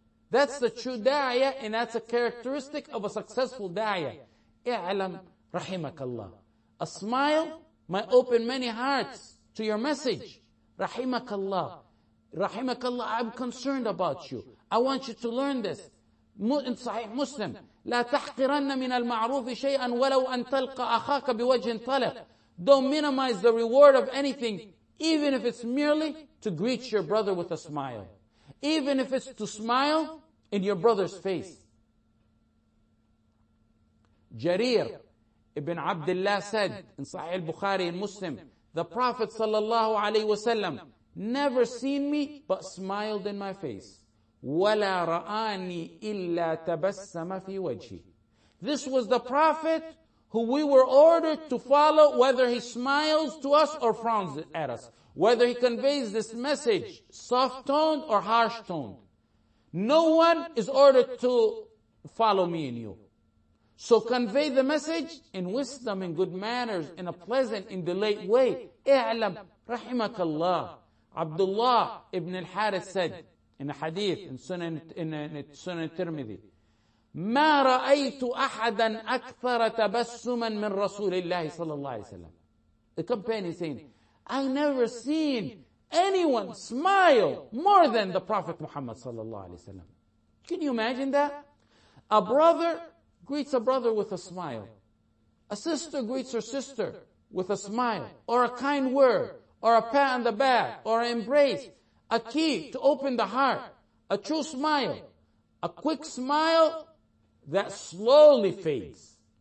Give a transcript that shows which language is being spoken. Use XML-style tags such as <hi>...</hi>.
<en>That's the true da'iyah, and that's a characteristic of a successful da'iyah. I'alam rahimakallah. A smile might open many hearts to your message. Rahimakallah. Rahimakallah, I'm concerned about you. I want you to learn this. In Sahih Muslim,</en> <ar>لا تحقرن من المعروف شيئا ولو أن تلقى أخاك بوجه طلق.</ar> <en>Don't minimize the reward of anything, even if it's merely to greet your brother with a smile. Even if it's to smile in your brother's face. Jarir ibn Abdullah said in Sahih al-Bukhari and Muslim, the Prophet sallallahu alayhi wa sallam never seen me but smiled in my face.</en> <ar>وَلَا رَآنِي إِلَّا تَبَسَّمَ فِي وَجْهِ.</ar> <en>This was the Prophet who we were ordered to follow, whether he smiles to us or frowns at us, whether he conveys this message soft-toned or harsh-toned. No one is ordered to follow me and you. So convey the message in wisdom, in good manners, in a pleasant, in delayed way. I'alam, rahimakallah. Abdullah ibn al-Harith said in a hadith, in Sunan Tirmidhi,</en> <ar>ما رأيت أحدا أكثر تبسما من رسول الله صلى الله عليه وسلم.</ar> <en>The companion saying, I never seen anyone smile more than the Prophet Muhammad sallallahu alaihi wasallam. Can you imagine that? A brother greets a brother with a smile. A sister greets her sister with a smile, or a kind word, or a pat on the back, or an embrace, a key to open the heart, a true smile, a quick smile that slowly fades.</en>